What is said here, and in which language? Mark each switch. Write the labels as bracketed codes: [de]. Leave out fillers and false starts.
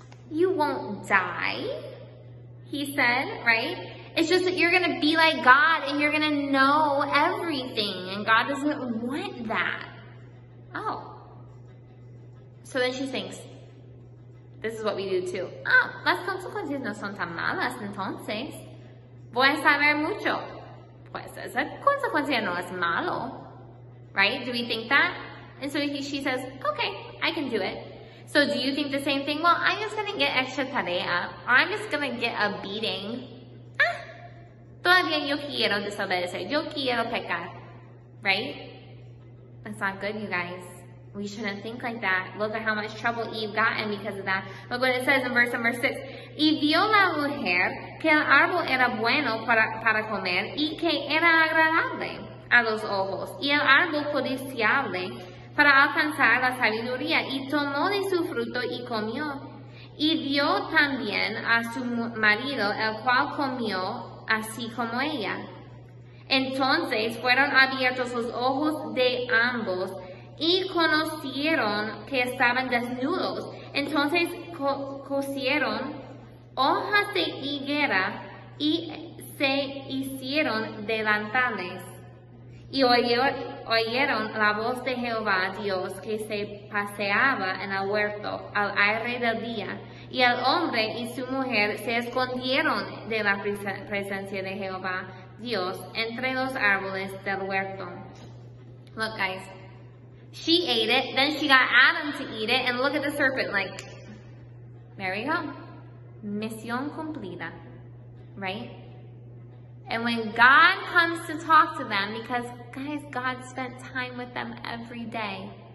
[en] You won't die, he said, right? It's just that you're going to be like God and you're going to know everything. And God doesn't want that. Oh. So then she thinks, this is what we do too. [es] Ah, las consecuencias no son tan malas entonces. Voy a saber mucho. Pues esa consecuencia no es malo. [en] Right? Do we think that? And so she says, okay, I can do it. So do you think the same thing? Well, I'm just going to get extra tarea. Or I'm just going to get a beating. [es] Todavía yo quiero desobedecer. Yo quiero pecar. Right? [en] That's not good, you guys. We shouldn't think like that. Look at how much trouble Eve got in because of that. Look what it says in verse number 6. [es] Y vio la mujer que el árbol era bueno para comer y que era agradable a los ojos. Y el árbol codiciable para alcanzar la sabiduría. Y tomó de su fruto y comió. Y dio también a su marido, el cual comió así como ella. Entonces fueron abiertos los ojos de ambos y conocieron que estaban desnudos. Entonces cosieron hojas de higuera y se hicieron delantales. Y oyeron la voz de Jehová Dios que se paseaba en el huerto al aire del día. Y el hombre y su mujer se escondieron de la presencia de Jehová Dios entre los árboles del huerto. [en] Look, guys. She ate it. Then she got Adam to eat it. And look at the serpent, like, there we go. [es] Misión cumplida. [en] Right? And when God comes to talk to them, because, guys, God spent time with them every day.